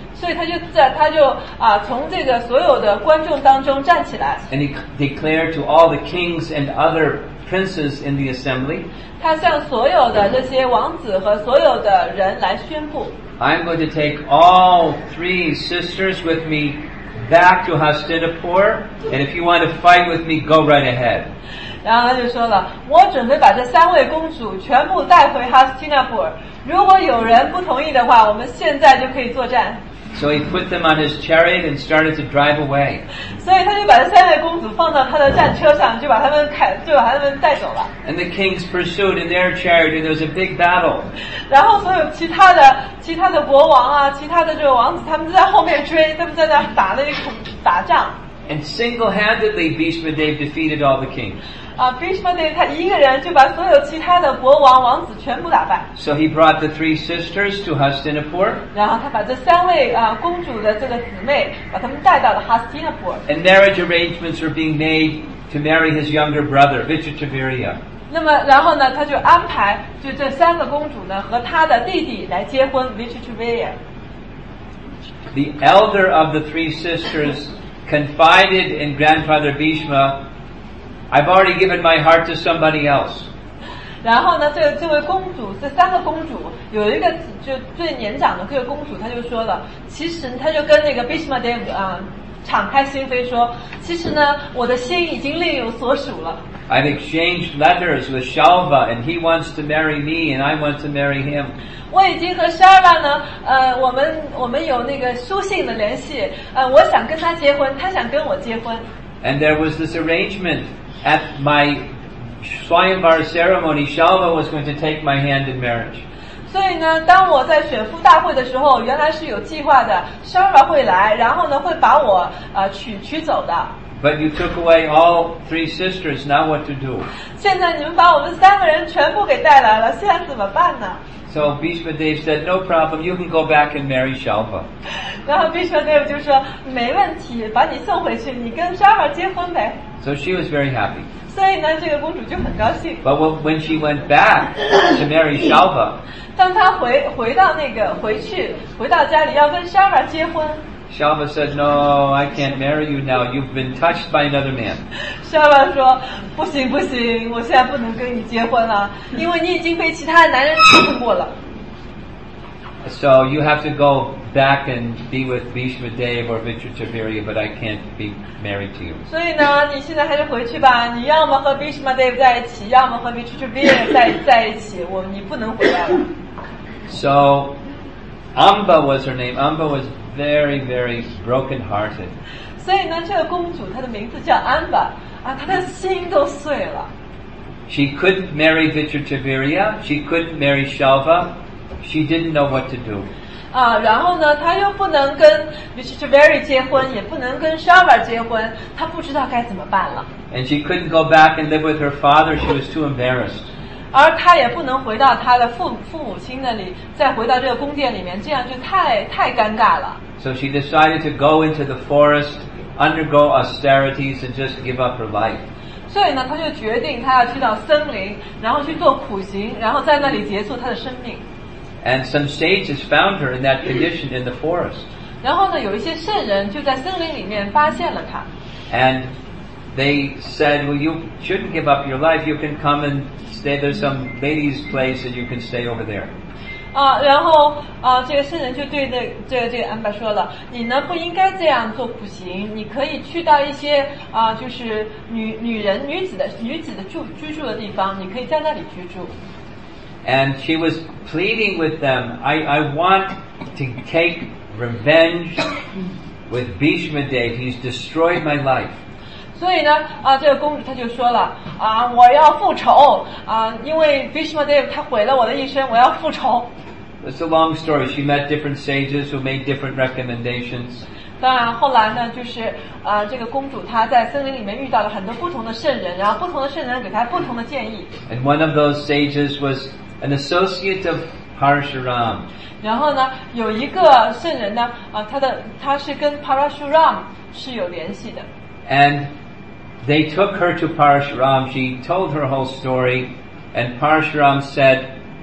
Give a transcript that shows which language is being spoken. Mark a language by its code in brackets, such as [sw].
[zh] 所以他就从这个所有的观众当中站起来。 [en] And he declared to all the kings and other princes in the assembly. [zh] 他向所有的这些王子和所有的人来宣布。 [en] I'm going to take all three sisters with me. Back to Hastinapur, and if you want to fight with me, go right ahead. [zh] 然后他就说了，我准备把这三位公主全部带回哈斯提纳普尔，如果有人不同意的话，我们现在就可以作战。 [en] So he put them on his chariot and started to drive away. [zh] 所以他就把这三位公主放到他的战车上，就把他们开，就把他们带走了。 [en] And the kings pursued in their chariot, and there was a big battle. [zh] 然后所有其他的国王啊，其他的这个王子，他们在后面追，他们在那打那一场打仗。 [en] And single-handedly, Bhishma Dev defeated all the kings. [zh] Bhishma Dev 他一个人就把所有其他的国王王子全部打败。 [en] So he brought the three sisters to Hastinapur. [zh] 然后他把这三位公主的这个姊妹把他们带到了 Hastinapur. [en] And marriage arrangements were being made to marry his younger brother, Vichitravirya. [zh] 那么然后呢，他就安排就这三个公主呢和他的弟弟来结婚 ，Vichitravirya. [en] The elder of the three sisters. Confided in grandfather Bhishma, I've already given my heart to somebody else. [zh] 然后呢，这位公主，这三个公主，有一个就最年长的这个公主，她就说了，其实她就跟那个 Bhishma Dev 敞开心扉说，其实呢，我的心已经另有所属了。 [en] I've exchanged letters with Shalva, and he wants to marry me, and I want to marry him. [zh] 我已经和 Shalva 呢，我们有那个书信的联系，我想跟他结婚，他想跟我结婚。 [en] And there was this arrangement at my Swayamvar ceremony. Shalva was going to take my hand in marriage. [zh] 所以呢，当我在选夫大会的时候，原来是有计划的 ，Shalva 会来，然后呢，会把我娶走的。 [en] But you took away all three sisters. Now what to do? [zh] 现在你们把我们三个人全部给带来了，现在怎么办呢？ [en] So Bhishma Dev said, "No problem. You can go back and marry Shalva." [zh] 然后 Bhishma Dev 就说没问题，把你送回去，你跟 Shalva 结婚呗。 [en] So she was very happy. [zh] 所以呢，这个公主就很高兴。 [en] But when she went back to marry Shalva, [zh] 当她回到家里要跟 Shalva 结婚。 [en] Shalva said, "No, I can't marry you now. You've been touched by another man." [zh] Shalva 说，不行不行，我现在不能跟你结婚了，因为你已经被其他男人触碰过了。 [en] So you have to go back and be with Bhishma Dev or Vichitravirya, but I can't be married to you. [zh] 所以呢，你现在还是回去吧。你要么和 Bhishma Dev 在一起，要么和 Vichitravirya 在一起。你不能回来了。 [en] So Amba was her name. Amba was. Very, very broken-hearted. [zh] 所以呢，这个公主她的名字叫安巴啊，她的心都碎了。 [en] She couldn't marry Vichitravirya. She couldn't marry Shalva. She didn't know what to do. [zh] 啊，然后呢，她又不能跟 Vichitravirya 结婚，也不能跟 Shalva 结婚，她不知道该怎么办了。 [en] And she couldn't go back and live with her father. She was too embarrassed. [zh] 而她也不能回到她的父母亲那里，再回到这个宫殿里面，这样就太尴尬了。 [en] So she decided to go into the forest, undergo austerities, and just give up her life. [zh] 所以呢，她就决定她要去到森林，然后去做苦行，然后在那里结束她的生命。 [en] And some sages found her in that condition in the forest. [zh] 然后呢，有一些圣人就在森林里面发现了她。 [en] And they said, "Well, you shouldn't give up your life. You can come and stay. There's some ladies' place, and you can stay over there." [zh] 啊，然后啊，这个圣人就对这个安巴说了，你呢不应该这样做苦行，你可以去到一些啊，就是女子的居住的地方，你可以在那里居住。 [en] And she was pleading with them, "I want to take revenge with Bhishma Dev. He's destroyed my life." [zh] 所以呢，这个公主她就说了，我要复仇啊，因为 Bhishma Dev 他毁了我的一生，我要复仇。 [en] It's a long story. She met different sages who made different recommendations. [zh] 当然，后来呢，就是这个公主她在森林里面遇到了很多不同的圣人，然后不同的圣人给她不同的建议。 [en] And one of those sages was an associate of Parashuram. [zh] 然后呢，有一个圣人呢，他是跟 Parashuram 是有联系的。 [en] And they took her to Parashuram. She told her whole story, and Parashuram said.